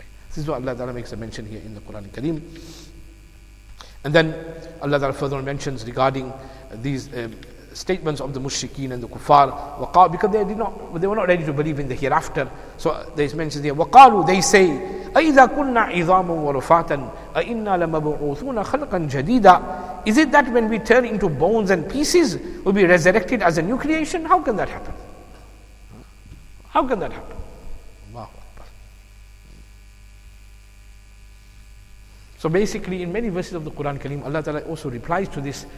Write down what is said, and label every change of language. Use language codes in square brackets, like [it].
[en] This is what Allah Ta'ala makes a mention here in the Quran Kareem. And then Allah Ta'ala further mentions regarding these statements of the mushrikeen and the kuffar, because they were not ready to believe in the hereafter. So there is mentioned here, [ar] وَقَالُوا, [en] they say, [ar] أَيْذَا كُنَّا عِظَامٌ وَرُفَاتًا أَإِنَّا لَمَبْعُوثُونَ خَلْقًا جَدِيدًا. [en] Is it that when we turn into bones and pieces, we'll be resurrected as a new creation? How can that happen? How can that happen? Allahu Akbar. So basically, in many verses of the Quran Kareem, Allah Ta'ala also replies to this.